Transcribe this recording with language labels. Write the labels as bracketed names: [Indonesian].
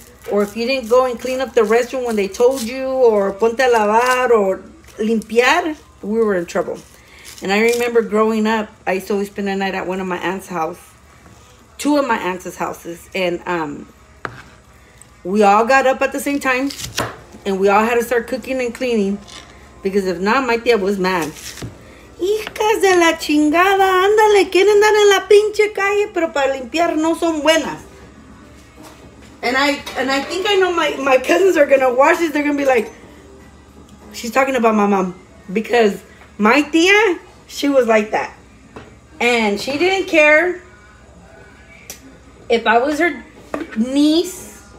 [English] Or if you didn't go and clean up the restroom when they told you, or [Spanish] ponte a lavar [English] or [Spanish] limpiar, [English] we were in trouble. And I remember growing up, I used to always spend the night at one of my aunt's house, two of my aunt's houses. And we all got up at the same time and we all had to start cooking and cleaning because if not, my tia was mad. [Spanish] Hijas de la chingada, ándale, quieren dar en la pinche calle, pero para limpiar no son buenas. [English] And I think I know my cousins are going to watch this. They're going to be like, she's talking about my mom. Because my tia, she was like that. And she didn't care if I was her niece.